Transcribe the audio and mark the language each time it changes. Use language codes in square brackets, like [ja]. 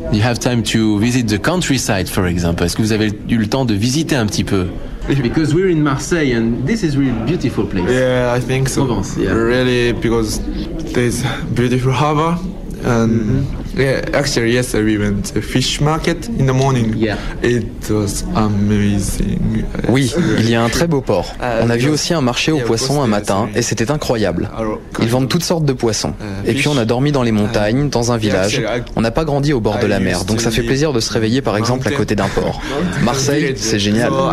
[en] You have time to visit the countryside, for example. [fr] Est-ce que vous avez eu le temps de visiter un petit peu? [en] Because we're in Marseille and this is really beautiful place. Yeah, I think so. Provence, yeah. Really, because there's beautiful harbor and actually yesterday we went to fish market in the morning. Yeah. It was amazing. [fr] Oui, il y a un très beau port. On a vu aussi un marché aux poissons un matin et c'était incroyable. Ils vendent toutes sortes de poissons. Et puis on a dormi dans les montagnes, dans un village. On n'a pas grandi au bord de la mer, donc ça fait plaisir de se réveiller par exemple à côté d'un port. Marseille, c'est génial.